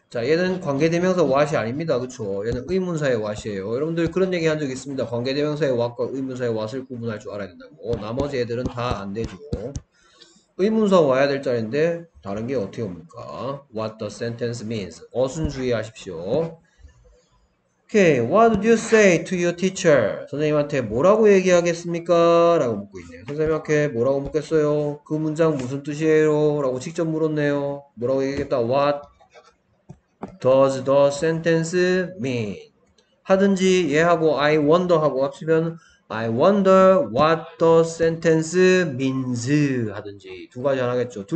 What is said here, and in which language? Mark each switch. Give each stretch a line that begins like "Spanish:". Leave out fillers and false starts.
Korean: 자, 얘는 관계대명사 what이 아닙니다. 그쵸? 얘는 의문사의 what이에요. 여러분들 그런 얘기 한적 있습니다. 관계대명사의 what과 의문사의 what을 구분할 줄 알아야 된다고. 나머지 애들은 다안 되죠. 의문사 와야 될 자리인데 다른 게 어떻게 옵니까?
English: What the sentence means.
Korean: 어순 주의하십시오.
English: Okay, what do you say to your teacher?
Korean: 선생님한테 뭐라고 얘기하겠습니까? 라고 묻고 있네요. 선생님한테 뭐라고 묻겠어요? 그 문장 무슨 뜻이에요? 라고 직접 물었네요. 뭐라고 얘기하겠다?
English: What does the sentence mean?
Korean: 하든지 얘하고 I wonder 하고 합치면
English: I wonder what the sentence means
Korean: 하든지 두 가지 하나겠죠.